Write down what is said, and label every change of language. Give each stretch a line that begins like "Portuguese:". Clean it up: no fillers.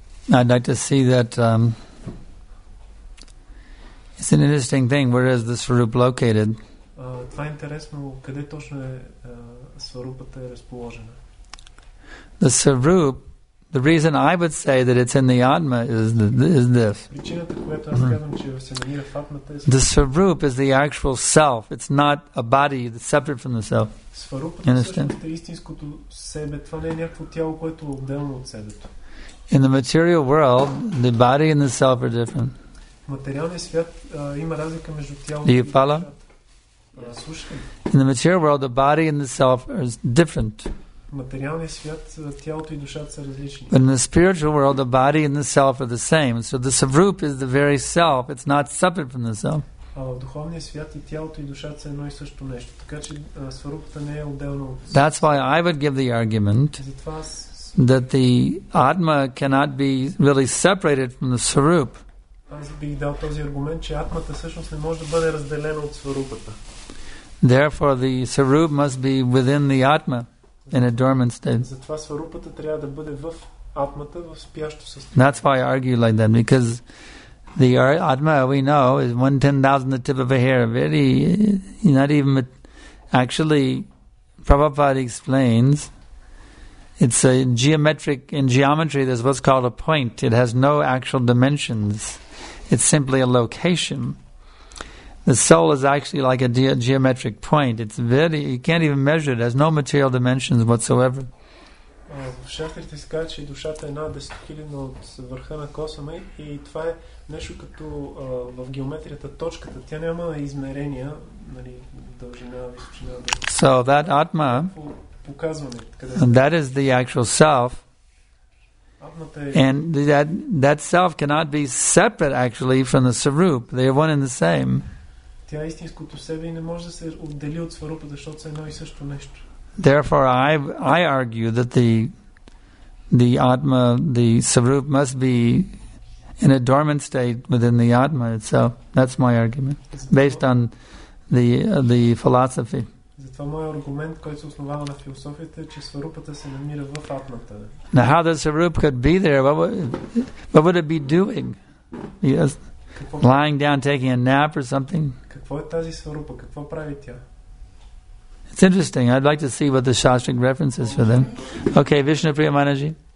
English: I'd like to see that it's an interesting thing. Where is the Svarupa located?
Bulgarian: Това е интересно. Къде точно е Сварупата разположена?
English: The Svarupa, the reason I would say that it's in the Atma is this.
Bulgarian: Причината, която аз казвам, че се намира в Атмата, е Сварупа.
English: The Svarupa is the actual self. It's not a body that's separate from the self.
Bulgarian: Сварупата е истинското себе. Това не е някакво тяло, което е отделно от себето.
English: In the material world, the body and the self are different.
Bulgarian: Материалният свят има разлика между тялото и душата.
English: Do you follow?
Bulgarian: Слушай.
English: In the material world, the body and the self are different.
Bulgarian: Материалният свят, тялото и душата са различни.
English: But in the spiritual world, the body and the self are the same. So the Svarupa is the very self. It's not separate from the self.
Bulgarian: А в духовния свят и тялото и душата са едно и също нещо. Така че Сварупата не е отделно.
English: That's why I would give the argument.
Bulgarian: Затова аз
English: that the Atma cannot be really separated from the Svarupa.
Bulgarian: Аз бих дал този аргумент, че Атмата всъщност не може да бъде разделена от Сварупата.
English: Therefore, the Svarupa must be within the Atma in a dormant state.
Bulgarian: Затова Сварупата трябва да бъде в Атмата, в спящо състояние.
English: That's why I argue like that, because the Atma, we know, is 1/10,000 the tip of a hair. Very, not even, actually, Prabhupada explains, it's a geometric, in geometry there's what's called a point. It has no actual dimensions. It's simply a location. The soul is actually like a geometric point. It's very, you can't even measure it. It has no material dimensions whatsoever.
Bulgarian: Шастрите се казва, че душата е една десетокилена от върха на косъма и това е нещо като в геометрията точката. Тя няма измерения, нали, дължина, височина.
English: So that Atma, and that is the actual self, and that self cannot be separate actually from the Svarupa. They are one and the same.
Bulgarian: Тя истинското себе не може да се отдели от Сварупа, защото е едно и също нещо.
English: Therefore, I argue that the Atma, the Svarupa, must be in a dormant state within the Atma itself. That's my argument based on the philosophy.
Bulgarian: Затова мой аргумент, който се основава на философията, че Сварупата се намира в Атмата.
English: Now how the Svarupa could be there? What would it be doing? Yes. Lying down, taking a nap or something?
Bulgarian: Какво е тази Сварупа? Какво прави тя?
English: It's interesting. I'd like to see what the Shastric references for them. Okay, Vishnupriya Manaji.